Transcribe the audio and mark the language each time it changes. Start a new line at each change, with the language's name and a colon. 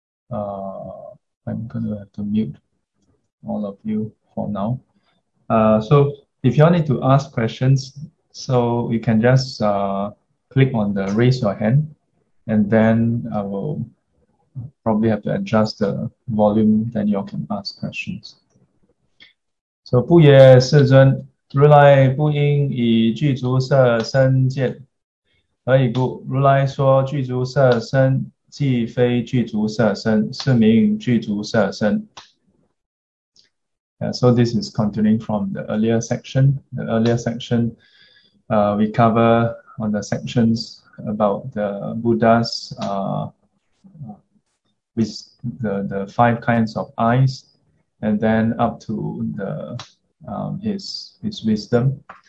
English: I'm gonna have to mute all of you for now. So if you all need to ask questions, so you can just click on the raise your hand, and then I will probably have to adjust the volume, then you all can ask questions.
Chinese: So 不也世尊，如来不应以具足色身见，何以故？如来说具足色身，即非具足色身，是名具足色身。
English: Yeah, so this is continuing from the earlier section. The earlier section, we cover on the sections about the Buddha's with the five kinds of eyes, and then up to the his wisdom.